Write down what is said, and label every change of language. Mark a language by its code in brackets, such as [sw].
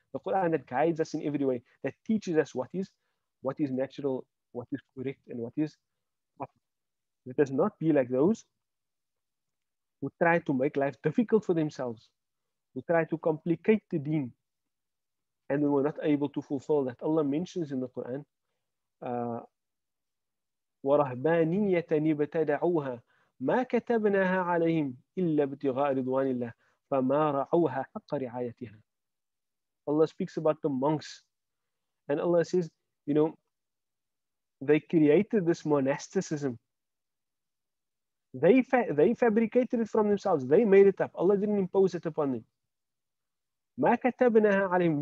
[en] The Quran that guides us in every way, that teaches us what is natural, what is correct, and what is. Let us not be like those who try to make life difficult for themselves, who try to complicate the deen, and who are not able to fulfill that. [ar] Allah mentions in the Quran, وَرَهْبَانِيَّةً يَبْتَدَعُوهَا مَا كَتَبْنَاهَا عَلَيْهِمْ إِلَّا بِتِغَاءِ رِضْوَانِ اللَّهِ فَمَا رَعُوهَا حَقَّ رِعَايَتِهَا. [en] Allah speaks about the monks, and Allah says, you know, they created this monasticism. They fabricated it from themselves. They made it up. Allah didn't impose it upon them. [ar] مَا كَتَبْنَاهَا عَلَيْهِمْ.